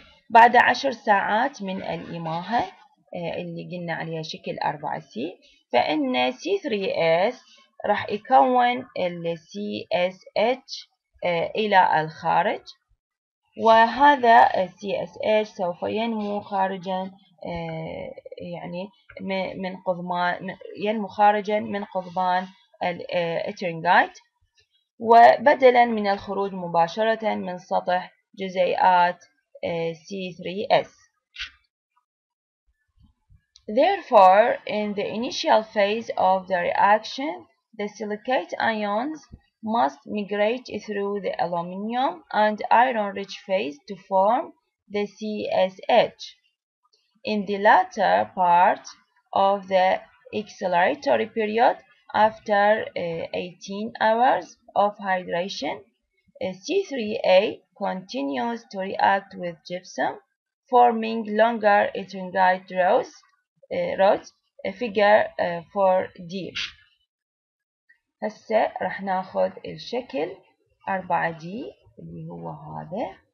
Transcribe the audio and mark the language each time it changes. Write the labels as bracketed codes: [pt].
[ar] بعد 10 ساعات من الإماهة اللي قلنا عليها شكل 4C، فإن C3S راح يكون ال CSH إلى الخارج، وهذا CSH سوف ينمو خارجا يعني من قضمان، ينمو خارجا من قضبان الاترينجايت، وبدلا من الخروج مباشرة من سطح جزيئات C3S. [en] Therefore, in the initial phase of the reaction, the silicate ions must migrate through the aluminium and iron-rich phase to form the CSH. In the latter part of the acceleratory period, after 18 hours of hydration, C3A continues to react with gypsum, forming longer ettinger rods. Figure 4D. [ar] هسه رح ناخذ الشكل 4D اللي هو هذا.